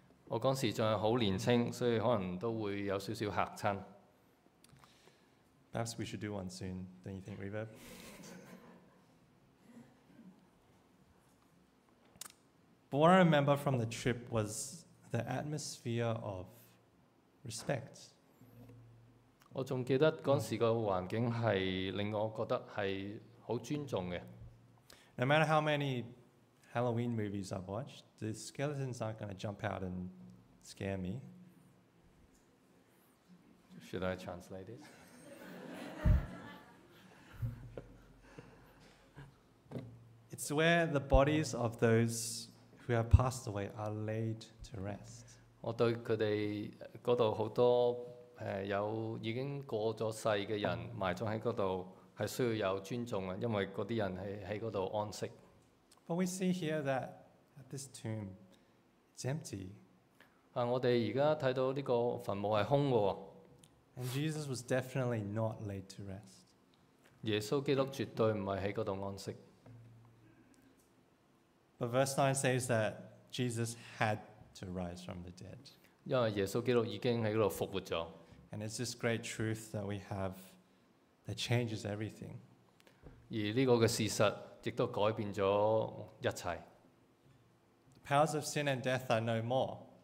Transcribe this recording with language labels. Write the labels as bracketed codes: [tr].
[yue] 我嗰時仲係好年青，所以可能都會有少少嚇親。 [en] Perhaps we should do one soon, don't you think, Reverb? But what I remember from the trip was the atmosphere of respect. [yue] 我仲記得嗰時個環境係令我覺得係好尊重嘅。 [en] No matter how many Halloween movies I've watched, the skeletons aren't going to jump out and scare me. Should I translate it? It's where the bodies of those who have passed away are laid to rest. [yue] 我對佢哋嗰度好多有已經過咗世嘅人埋葬喺嗰度，係需要有尊重啊，因為嗰啲人係喺嗰度安息。 [en] But we see here that at this tomb, it's empty. [yue] 我哋而家睇到呢個墳墓係空嘅。 [en] And Jesus was definitely not laid to rest. [yue] 耶穌基督絕對唔係喺嗰度安息。 [en] But verse 9 says that Jesus had to rise from the dead. [yue] 因為耶穌基督已經喺嗰度復活咗。 [en] And it's this great truth that we have that changes everything. [yue] 而呢個嘅事實亦都改變咗一切。 [en] The powers of sin and death are no more.